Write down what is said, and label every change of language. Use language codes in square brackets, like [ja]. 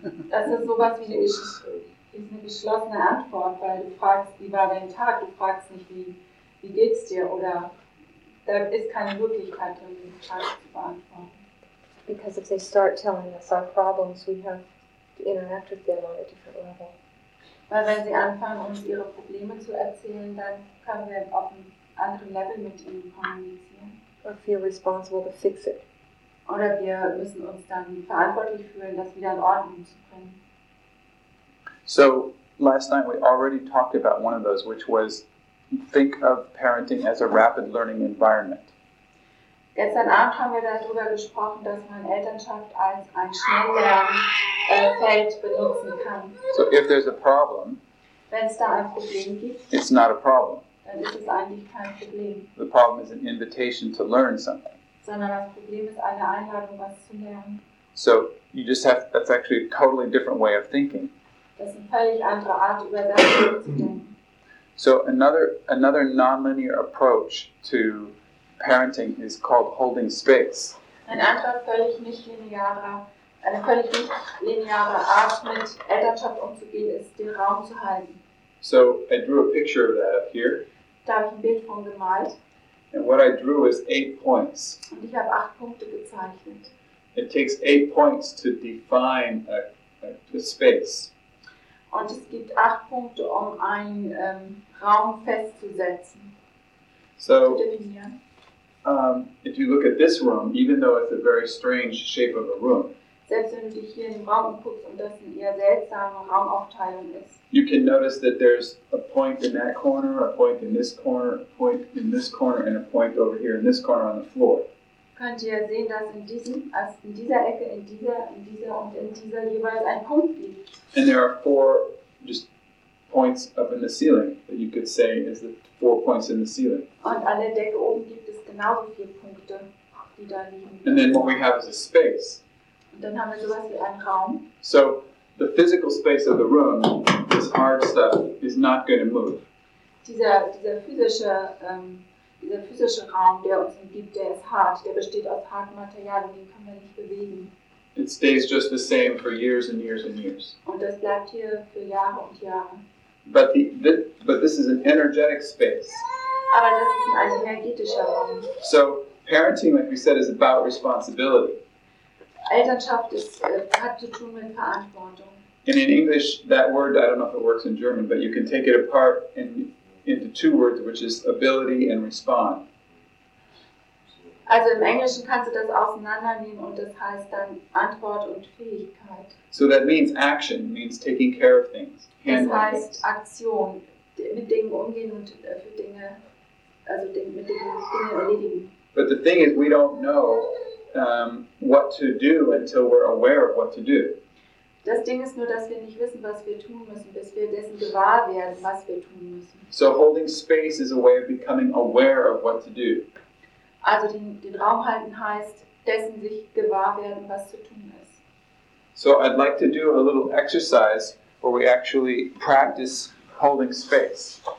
[de] Das ist sowas wie eine geschlossene Antwort, weil du fragst, wie war dein Tag? Du fragst nicht, wie geht's dir? Oder da ist keine Möglichkeit, um den Tag zu beantworten. [en] Because if they start telling us our problems, we have to interact with them on a different level. [de] Weil wenn sie anfangen, uns ihre Probleme zu erzählen, dann können wir auf einem anderen Level mit ihnen kommunizieren. [en] Or feel responsible to fix it. [de] Oder wir müssen uns dann verantwortlich fühlen, das wieder in Ordnung zu bringen. [en] So, last night we already talked about one of those, which was think of parenting as a rapid learning environment. [de] Gestern Abend haben wir darüber gesprochen, dass man Elternschaft als ein Schnelllernfeld benutzen kann. [en] So if there's a problem, [de] wenn es da ein Problem gibt, [en] it's not a problem. [de] Dann ist es eigentlich kein Problem. [en] The problem is an invitation to learn something. [de] Sondern das Problem ist eine Einladung, was zu lernen. [en] So you just have, that's actually a totally different way of thinking. [de] Das ist eine völlig andere Art, über das zu denken. [en] So another non-linear approach to parenting is called holding space. [de] Ein anderer völlig nicht linearer Art mit Elternschaft umzugehen ist, den Raum zu halten. [en] So I drew a picture of that up here. [de] Da habe ich ein Bild von gemalt. [en] And what I drew is 8 points. [de] Und ich habe 8 Punkte gezeichnet. [en] It takes 8 points to define a space. [de] Und es gibt 8 Punkte, um einen Raum festzusetzen. [en] So, [de] zu definieren. [en] If you look at this room, even though it's a very strange shape of a room, [de] selbst wenn du hier in den Raum guckst und das eine eher seltsame Raumaufteilung ist, [en] you can notice that there's a point in that corner, a point in this corner, a point in this corner, and a point over here in this corner on the floor. [de] Könnt ihr sehen, dass in dieser Ecke, in dieser und in dieser jeweils ein Punkt liegt. [en] And there are 4 just points up in the ceiling that you could say is the 4 points in the ceiling. [de] Und an der Decke oben gibt es genau 4 Punkte, die da liegen. [en] And then what we have is a space. [de] Und dann haben wir sowas wie einen Raum. [en] So the physical space of the room, this hard stuff, is not going to move. [de] Dieser physische Raum, der uns umgibt, der ist hart. Der besteht aus hartem Material und den können wir nicht bewegen. [en] It stays just the same for years and years and years. [de] Und das bleibt hier für Jahre und Jahre. [en] But this is an energetic space. [de] Aber das ist ein energetischer Raum. [en] So parenting, like we said, is about responsibility. [de] Elternschaft hat zu tun mit Verantwortung. [en] And in English, that word, I don't know if it works in German, but you can take it apart into 2 words, which is ability and respond. [de] Also im Englischen kannst du das auseinandernehmen und das heißt dann Antwort und Fähigkeit. [en] So that means action, means taking care of things. [de] Das heißt Aktion, mit Dingen umgehen und für Dinge, also mit Dingen erledigen. [en] But the thing is, we don't know what to do until we're aware of what to do. [de] Das Ding ist nur, dass wir nicht wissen, was wir tun müssen, bis wir dessen gewahr werden, was wir tun müssen. [en] So holding space is a way of becoming aware of what to do. [de] Also den Raum halten heißt, dessen sich gewahr werden, was zu tun ist. [en] So I'd like to do a little exercise where we actually practice holding space.